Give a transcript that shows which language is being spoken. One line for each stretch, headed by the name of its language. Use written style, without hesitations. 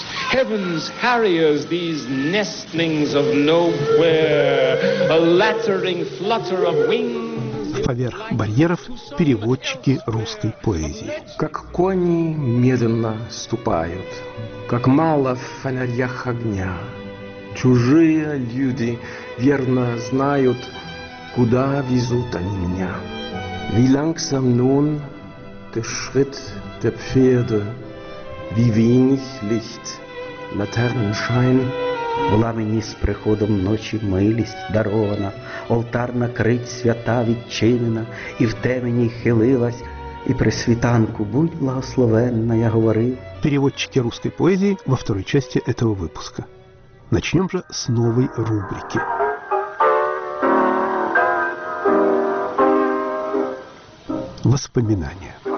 English: Heaven's harriers, these nestlings of nowhere, a lattering flutter of wings.
Russian: Поверх барьеров переводчики русской поэзии. Как кони медленно ступают, как мало в фонарях огня. Чужие люди верно знают, куда везут они меня.
German: Wie langsam nun der Schritt der Pferde, wie wenig Licht.
Ukrainian: Латерншайн була мені з приходом ночі милість дарована, олтар накрить свята відчинена, і в темені хилилась, і при світанку будь благословенна, я говорив.
Russian: Переводчики русской поэзии во второй части этого выпуска. Начнем же с новой рубрики. Воспоминания.